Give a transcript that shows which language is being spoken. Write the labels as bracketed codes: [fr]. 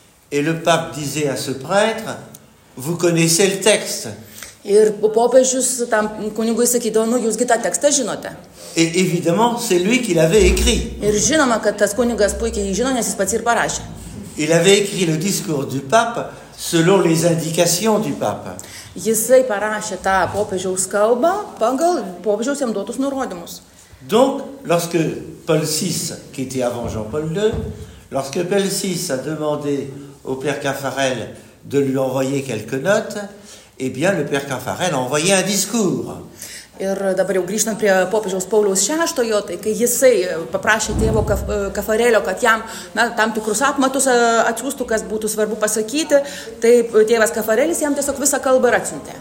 [fr] Et le pape disait à ce prêtre, vous connaissez le texte. [lt] Ir popiežius tam kunigui sakydavo, nu, jūs gi tą tekstą žinote. [fr] Et évidemment, c'est lui qui l'avait écrit. [lt] Ir žinoma, kad tas kunigas puikiai žino, nes jis pats ir parašė. [fr] Il avait écrit le discours du pape selon les indications du pape. [lt] Jisai parašė tą popiežiaus kalbą pagal popiežiaus jam duotus nurodymus. [fr] Donc, lorsque Paul VI, qui était avant Jean-Paul II, lorsque Paul VI a demandé au père Caffarel de lui envoyer quelques notes, eh bien le père Caffarel a envoyé un discours. [lt] Ir dabar jau grįžtant prie popiežiaus Pauliaus VI, tai kai jisai paprašė tėvo Caffarelio, kad jam tam tikrus apmatus atsiūstų, kas būtų svarbu pasakyti, tai tėvas Caffarelis jam tiesiog visą kalbą ir atsiuntė.